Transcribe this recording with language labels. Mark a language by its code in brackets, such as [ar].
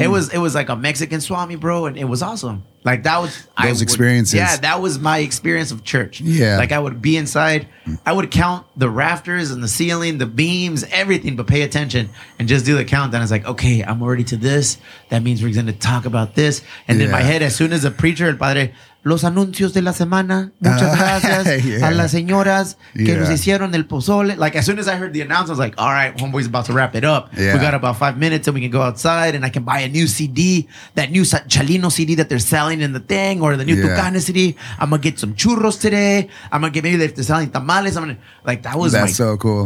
[en] It was like a Mexican swap meet, bro, and it was awesome. Like, that was those experiences. Yeah, that was my experience of church. Yeah. Like, I would be inside, I would count the rafters and the ceiling, the beams, everything, but pay attention and just do the countdown. It's like, okay, I'm already to this. That means we're going to talk about this. And in my head, as soon as the preacher, [es] el padre, los anuncios de la semana, muchas gracias a las señoras que nos hicieron el pozole. [en] Like, as soon as I heard the announcement, I was like, all right, homeboy's about to wrap it up. Yeah. We got about 5 minutes and we can go outside and I can buy a new CD, that new Chalino CD that they're selling in the thing, or the new Tucana CD. I'm going to get some churros today. I'm going to get, maybe they're selling tamales. I'm going to, like, that was That's so cool.